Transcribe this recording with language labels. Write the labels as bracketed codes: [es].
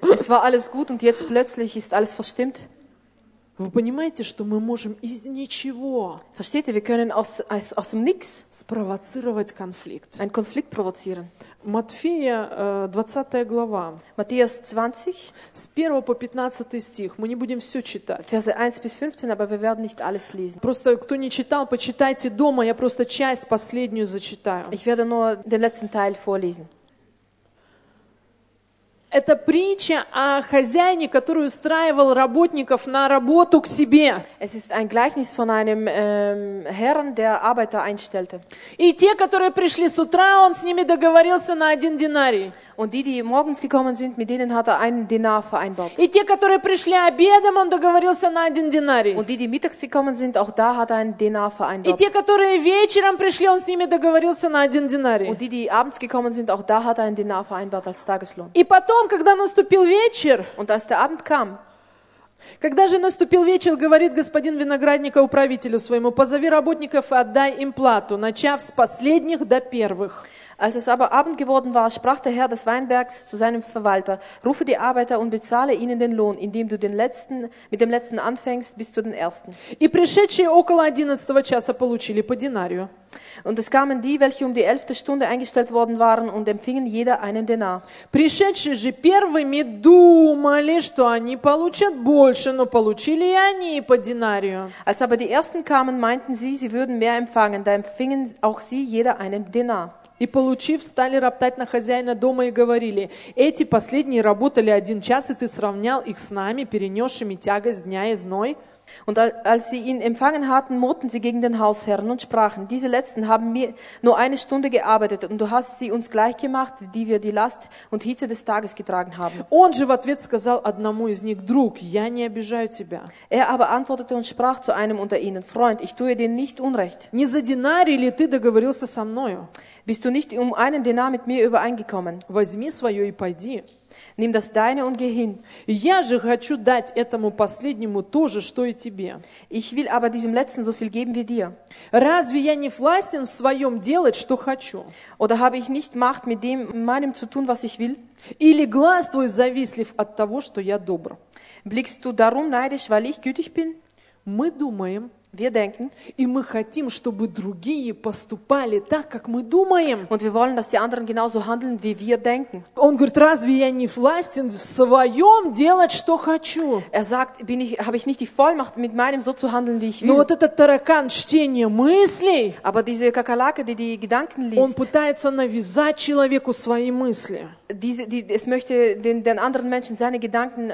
[de] Es war alles gut und jetzt plötzlich ist alles verstimmt. [ru] Вы понимаете, что мы можем из ничего [de] Versteht ihr, wir können aus dem Nichts [ru] спровоцировать конфликт. [de] Einen Konflikt provozieren. [ru] Матфея, 20 глава. [de] Matthäus 20. [ru] С 1 по 15 стих. Мы не будем все читать. [de] Verse 1 bis 15, aber wir werden nicht alles lesen. [ru] Просто, кто не читал, почитайте дома. Я просто часть последнюю зачитаю. [de] Ich werde nur den letzten Teil vorlesen. [ru] Это притча о хозяине, который устраивал работников на работу к себе. [de] Es ist ein Gleichnis von einem Herrn, der Arbeiter einstellte. [ru] И те, которые пришли с утра, он с ними договорился на один динарий. [de] Und die morgens gekommen sind, mit denen hat einen Denar vereinbart. [ru] И те, которые пришли обедом, он договорился на один динарий. [de] Und die mittags gekommen sind, auch da hat einen Denar vereinbart. [ru] И те, которые вечером пришли, он с ними договорился на один динарий. [de] Und die abends gekommen sind, auch da hat einen Denar vereinbart als Tageslohn. [ru] И потом, когда наступил вечер, [de] Und als der Abend kam, [ru] когда же наступил вечер, говорит господин виноградника управителю своему, позови работников и отдай им плату, начав с последних до первых. [de] Als es aber Abend geworden war, sprach der Herr des Weinbergs zu seinem Verwalter, rufe die Arbeiter und bezahle ihnen den Lohn, indem du den letzten, mit dem letzten anfängst bis zu den ersten. [ru] И пришедшие около 11 часа получили по динарию. [de] Und es kamen die, welche um die 11. Stunde eingestellt worden waren und empfingen jeder einen Denar. [ru] Пришедшие же первыми думали, что они получат больше, но получили и они по динарию. [de] Als aber die ersten kamen, meinten sie, sie würden mehr empfangen, da empfingen auch sie jeder einen Denar. [ru] И получив, стали роптать на хозяина дома и говорили, эти последние работали один час, и ты сравнял их с нами, перенесшими тягость дня и зной. [de] Und als sie ihn empfangen hatten, murrten sie gegen den Hausherrn und sprachen, diese letzten haben mir nur eine Stunde gearbeitet und du hast sie uns gleich gemacht, die wir die Last und Hitze des Tages getragen haben. [ru] Он же в ответ сказал одному из них, друг, я не обижаю тебя. [de] Er aber antwortete und sprach zu einem unter ihnen, Freund, ich tue dir nicht Unrecht. [ru] Не за динарий ли ты договорился со мною? [de] Bist du nicht um einen Denar mit mir übereingekommen? [ru] Возьми свое и пойди. [de] Nimm das deine und geh hin. [ru] Я же хочу дать этому последнему то же, что и тебе. [de] Ich will aber diesem letzten so viel geben wie dir. [ru] Разве я не властен в своем делать, что хочу? [de] Oder habe ich nicht Macht mit dem meinem zu tun, was ich will? [ru] Или глаз твой завистлив от того, что я добр? [de] Blickst du darum neidisch, weil ich gütig bin? [ru] Мы думаем. [de] Wir denken. [ru] И мы хотим, чтобы другие поступали так, как мы думаем. [de] Und wir wollen, dass die anderen genauso handeln, wie wir denken. [ru] Он говорит, разве я не властен в своем делать, что хочу? [de] Er sagt, habe ich nicht die Vollmacht, mit meinem so zu handeln, wie ich will? [ru] Но вот этот таракан чтения мыслей. [de] Aber diese Kakerlake, die Gedanken liest. [ru] Он пытается навязать человеку свои мысли. [de] Es möchte den anderen Menschen seine Gedanken.